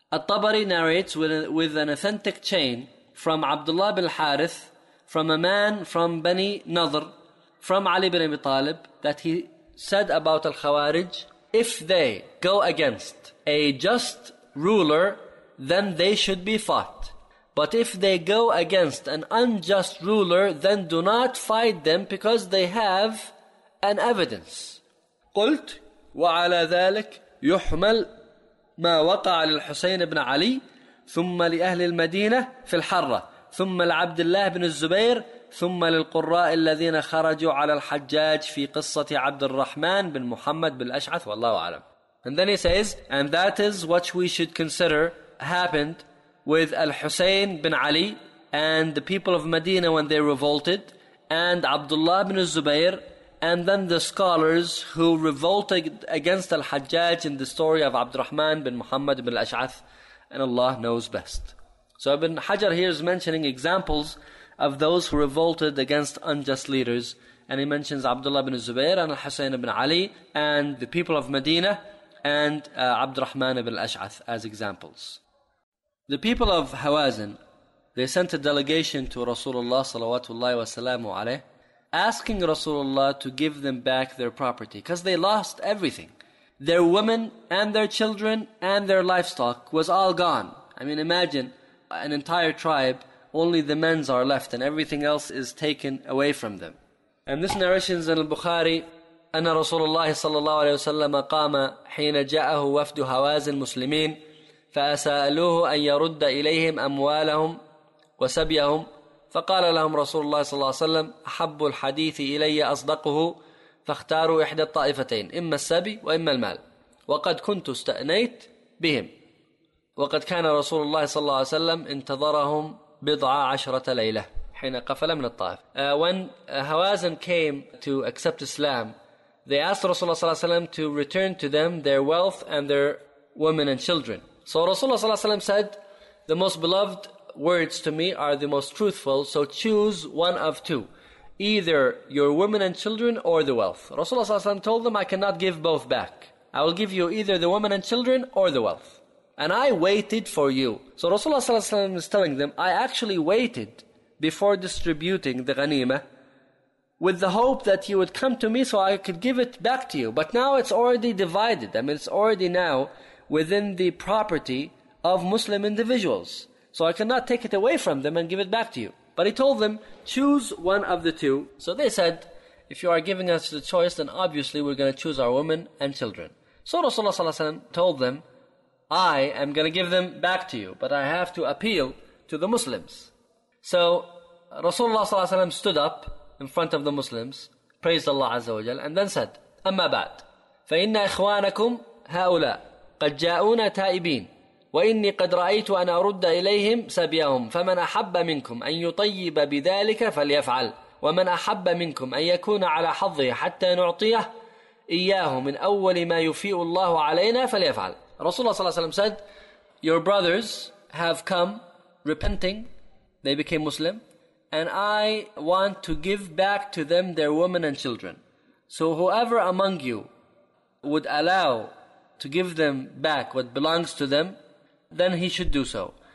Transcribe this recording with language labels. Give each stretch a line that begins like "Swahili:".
English: الطَّبَرِي narrates with an authentic chain from Abdullah bin Harith, from a man from Bani Nadr, from Ali bin Abi Talib, that he said about al-Khawarij, if they go against a just ruler, then they should be fought. But if they go against an unjust ruler, then do not fight them because they have an evidence.
Arabic: قلت وعلى ذلك يحمل ما وقع للحسين بن علي ثم لأهل المدينة في الحرة ثم لعبد الله بن الزبير ثم للقراء الذين خرجوا على الحجاج في قصة عبد الرحمن بن محمد بالأشعث والله أعلم.
English: And then he says, and that is what we should consider happened with Al-Husayn bin Ali and the people of Medina when they revolted, and Abdullah bin Zubair, and then the scholars who revolted against Al-Hajjaj in the story of Abd al-Rahman bin Muhammad bin al-Ash'ath, and Allah knows best. So Ibn Hajar here is mentioning examples of those who revolted against unjust leaders, and he mentions Abdullah bin Zubair and Al-Husayn bin Ali and the people of Medina and Abd al-Rahman bin al-Ash'ath as examples. The people of Hawazin, they sent a delegation to Rasulullah salawatullahi wa salamu alayhi, asking Rasulullah to give them back their property, because they lost everything. Their women and their children and their livestock was all gone. I mean, imagine an entire tribe, only the men's are left and everything else is taken away from them. And this narration is in al-Bukhari,
Arabic: أن رسول الله صلى الله عليه وسلم قام حين جاءه وفد هواز المسلمين فأسألوه أن يرد إليهم أموالهم وسبيهم فقال لهم رسول الله صلى الله عليه وسلم أحب الحديث إلي أصدقه فاختاروا إحدى الطائفتين إما السبي وإما المال وقد كنت استأنيت بهم وقد كان رسول الله صلى الله عليه وسلم انتظرهم بضع عشرة ليلة حين قفل من الطائف.
English: When Hawazin came to accept Islam, they asked Rasulullah صلى الله عليه وسلم to return to them their wealth and their women and children. So Rasulullah صلى الله عليه وسلم said, the most beloved words to me are the most truthful, so choose one of two, either your women and children or the wealth. Rasulullah ﷺ told them, I cannot give both back. I will give you either the women and children or the wealth. And I waited for you. So Rasulullah ﷺ is telling them, I actually waited before distributing the ghanima with the hope that you would come to me so I could give it back to you. But now it's already divided. I mean, it's already now within the property of Muslim individuals. So I cannot take it away from them and give it back to you. But he told them, choose one of the two. So they said, if you are giving us the choice, then obviously we're going to choose our women and children. So Rasulullah ﷺ told them, I am going to give them back to you, but I have to appeal to the Muslims. So Rasulullah ﷺ stood up in front of the Muslims, praised Allah Azza wa Jal, and then said,
Arabic: أما بعد فإن إخوانكم هؤلاء قد جاءونا تائبين وإني قد رأيت أن أرد إليهم سبيهم فمن أحب منكم أن يطيب بذلك فليفعل ومن أحب منكم أن يكون على حظه حتى نعطيه إياه من أول ما يفيء الله علينا فليفعل.
English: رسول الله صلى الله عليه وسلم said, your brothers have come repenting, they became Muslim, and I want to give back to them their women and children. So whoever among you would allow to give them back what belongs to them, then he should do so.